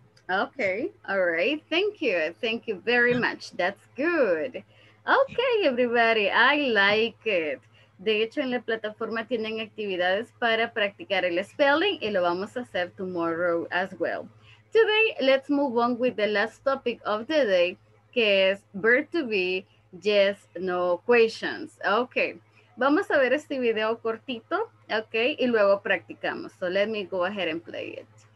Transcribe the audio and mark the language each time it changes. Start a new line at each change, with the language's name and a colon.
English: Okay, all right, thank you very much, that's good. Okay, everybody, I like it.
Spanish: De hecho, en la plataforma tienen actividades para practicar el spelling y lo vamos a hacer
English: tomorrow as well. Today, let's move on with the last topic of the day,
Spanish: que es
English: verb to be, yes, no questions.
Spanish: Okay, vamos a ver este video cortito, okay, y luego practicamos.
English: So let me go ahead and play it.